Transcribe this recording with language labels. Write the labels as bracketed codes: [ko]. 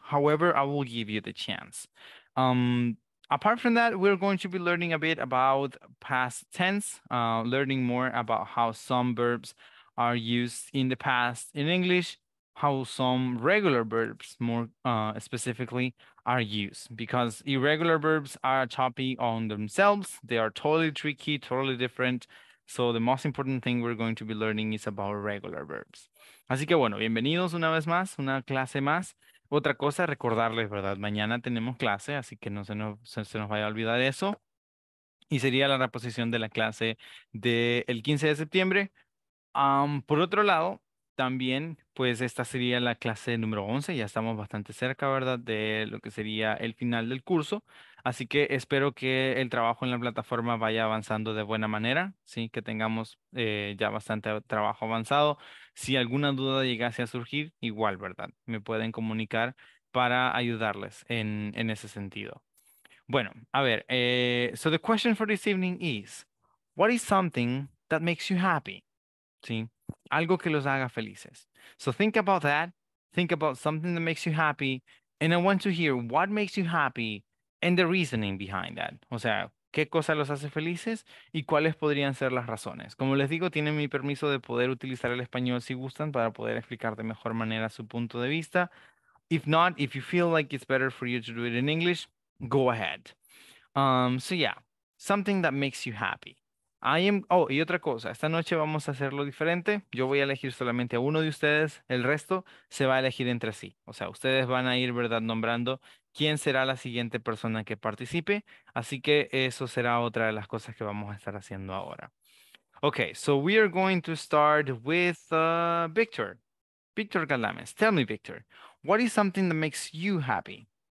[en] However, I will give you the chance. Apart from that, we're going to be learning a bit about past tense, learning more about how some verbs are used in the past in English, how some regular verbs, more specifically, are used. Because irregular verbs are choppy on themselves. They are totally tricky, totally different. So the most important thing we're going to be learning is about regular verbs. [es] Así que bueno, bienvenidos una vez más, una clase más. Otra cosa, recordarles, ¿verdad? Mañana tenemos clase, así que no se nos vaya a olvidar eso. Y sería la reposición de la clase del 15 de septiembre. Por otro lado, también, pues esta sería la clase número 11. Ya estamos bastante cerca, ¿verdad? De lo que sería el final del curso. Así que espero que el trabajo en la plataforma vaya avanzando de buena manera, ¿sí? Que tengamos ya bastante trabajo avanzado. Si alguna duda llegase a surgir, igual, ¿verdad? Me pueden comunicar para ayudarles en ese sentido. Bueno, a ver, [en] so the question for this evening is, what is something that makes you happy? [es] ¿Sí? Algo que los haga felices. [en] So think about that. Think about something that makes you happy. And I want to hear what makes you happy and the reasoning behind that. [es] O sea, ¿qué cosa los hace felices y cuáles podrían ser las razones? Como les digo, tienen mi permiso de poder utilizar el español si gustan para poder explicar de mejor manera su punto de vista. [en] If not, if you feel like it's better for you to do it in English, go ahead. So yeah, something that makes you happy. [es] Y otra cosa, esta noche vamos a hacerlo diferente. Yo voy a elegir solamente a uno de ustedes, el resto se va a elegir entre sí. O sea, ustedes van a ir, ¿verdad?, nombrando quién será la siguiente persona que participe. Así que eso será otra de las cosas que vamos a estar haciendo ahora. [en] Okay, so we are going to start with Victor. Victor Galames, tell me, Victor, what is something that makes you happy?